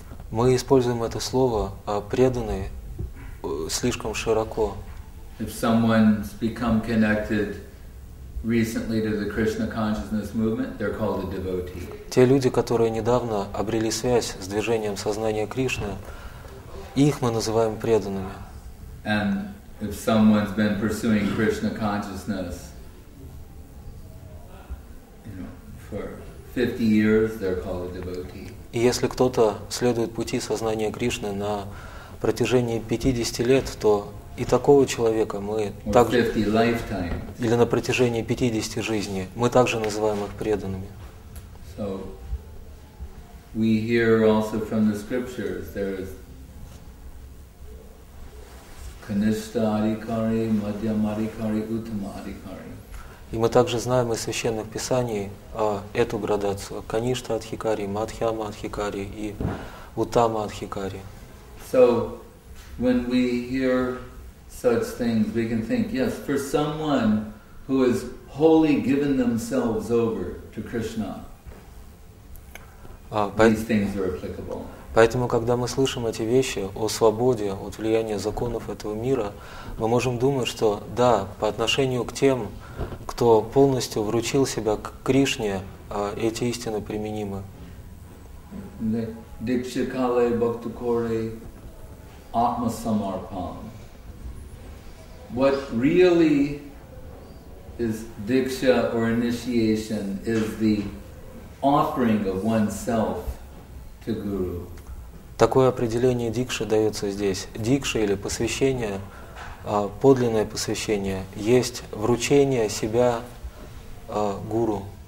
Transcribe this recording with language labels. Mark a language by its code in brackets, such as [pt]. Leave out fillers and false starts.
[ru] Мы используем это слово преданный слишком широко. [en] If someone's become connected recently to the Krishna consciousness movement, they're called a devotee. [ru] Те люди, которые недавно обрели связь с движением сознания Кришны, их мы называем преданными. [en] And if someone's been pursuing Krishna consciousness, for 50 years, they're called a devotee. [ru] И если кто-то следует пути сознания Кришны на протяжении 50 лет, то и такого человека мы также, или на протяжении 50 жизней, мы также называем их преданными. [en] So we hear also from the scriptures there is Kanishta Adhikari, Madhyam Adhikari, Uttama Adhikari. [ru] И мы также знаем из священных писаний эту градацию: Каништа Адхикари, Мадхьяма Адхикари и Уттама Адхикари. [en] So when we hear such things, we can think, yes, for someone who has wholly given themselves over to Krishna, these things are applicable. [ru] Поэтому, когда мы слышим эти вещи о свободе, от влияния законов этого мира, мы можем думать, что да, по отношению к тем, кто полностью вручил себя к Кришне, эти истины применимы. [bn] Дикшикале бхактукоре атмасамарпан. [en] What really is diksha or initiation is the offering of oneself to Guru. [ru] Такое определение дикши дается здесь. Дикша или посвящение, подлинное посвящение, есть вручение себя гуру.